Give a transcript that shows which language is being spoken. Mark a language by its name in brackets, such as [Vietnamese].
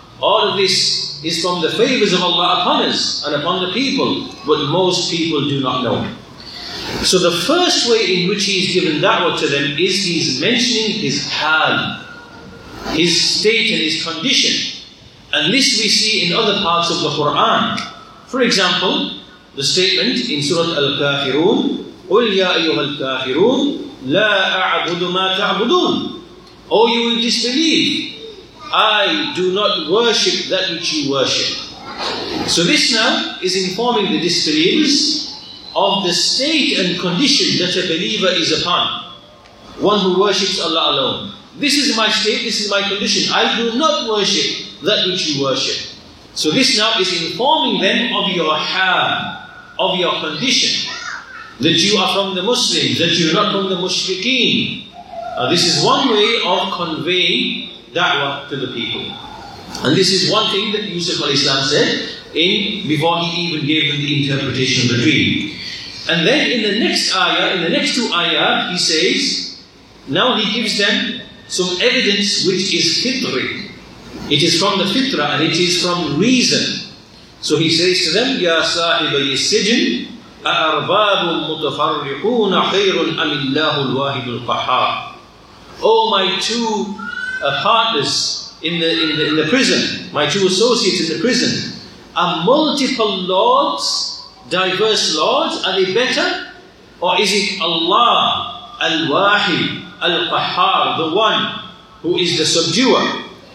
[English] All of this is from the favors of Allah upon us and upon the people, but most people do not know. So the first way in which he is given da'wah to them is he's mentioning his hal, his state and his condition. And this we see in other parts of the Quran. For example, the statement in Surah Al-Kafirun, [Arabic] قُلْ يَا أَيُّهَا الْكَافِرُونَ لَا أَعْبُدُ مَا تَعْبُدُونَ. [English] Oh, you will disbelieve. I do not worship that which you worship. So this now is informing the disbelievers of the state and condition that a believer is upon. One who worships Allah alone. This is my state, this is my condition. I do not worship that which you worship. So this now is informing them of your hal, of your condition. That you are from the Muslims, that you are not from the mushrikeen. This is one way of conveying da'wah to the people. And this is one thing that Yusuf al-Islam said in before he even gave them the interpretation of the dream. And then in the next ayah, in the next two ayah, he says, now he gives them some evidence which is fitri. It is from the fitrah and it is from reason. So he says to them, [Arabic] يَا صَاحِبَ السِّجْنِ أَأَرْبَابٌ مُتَفَرِّقُونَ خَيْرٌ أَمِ اللَّهُ الْوَاحِدُ الْقَحَّارُ. [English] Oh, my two partners, in the prison, my two associates in the prison, are multiple lords, diverse lords, are they better? Or is it Allah Al-Wahid Al-Qahhar, the one who is the subduer?